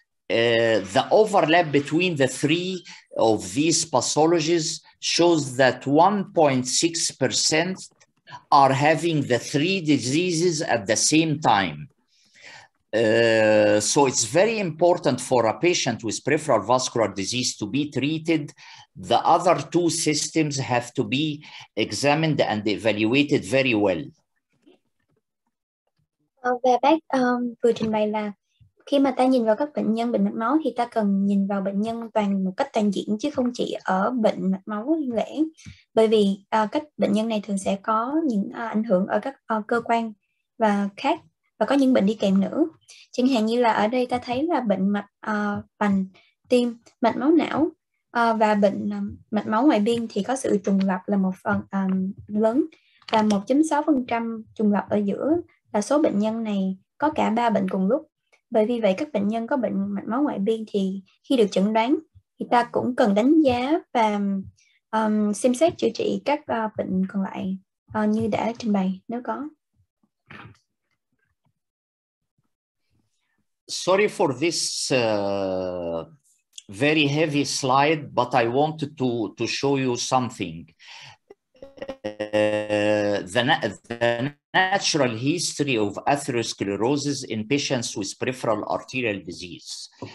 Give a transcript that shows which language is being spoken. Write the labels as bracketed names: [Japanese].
[English] The overlap between the three of these pathologies shows that 1.6% are having the three diseases at the same time. So it's very important for a patient with peripheral vascular disease to be treated. The other two systems have to be examined and evaluated very well. [Vietnamese] Về bác vừa trình bày là khi mà ta nhìn vào các bệnh nhân bệnh mạch máu thì ta cần nhìn vào bệnh nhân toàn một cách toàn diện chứ không chỉ ở bệnh mạch máu lẻ, bởi vì các bệnh nhân này thường sẽ có những ảnh hưởng ở các cơ quan và khác và có những bệnh đi kèm nữa. Chẳng hạn như là ở đây ta thấy là bệnh mạch vành, tim, mạch máu não và bệnh mạch máu ngoại biên thì có sự trùng lặp là một phần lớn và 1.6% trùng lặp ở giữa. Là số bệnh nhân này có cả ba bệnh cùng lúc. Bởi vì vậy các bệnh nhân có bệnh mạch máu ngoại biên thì khi được chẩn đoán thì ta cũng cần đánh giá và xem xét chữa trị các bệnh còn lại như đã trình bày nếu có. [English] Sorry for this very heavy slide, but I wanted to show you something. The natural history of atherosclerosis in patients with peripheral arterial disease.